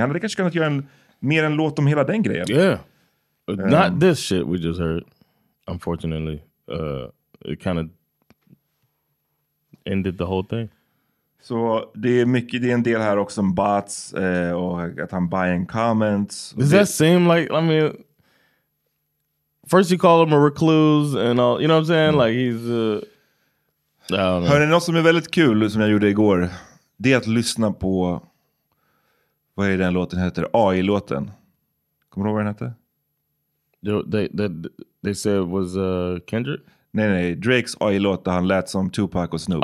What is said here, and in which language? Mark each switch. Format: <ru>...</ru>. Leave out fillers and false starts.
<sv>Han hade kanske kunnat göra mer en låt om hela den grejen.</sv> <en>Yeah. Not this shit we just heard, unfortunately. It kind of ended the whole thing.</en> <sv>Så det är mycket, det är en del här också om bots och att han</sv> <en>buying comments. Does that seem like, I mean, first you call him a recluse and all, you know what I'm saying? Like he's I don't know.</en> <sv>Hörrni, något som är väldigt kul som jag gjorde igår, det är att lyssna på, vad är den låten heter? AI-låten. Kommer du ihåg vad den heter?</sv> <en>They said it was Kendrick?</en> <sv>Nej, Drakes AI-låt där han lät som Tupac och Snoop.</sv>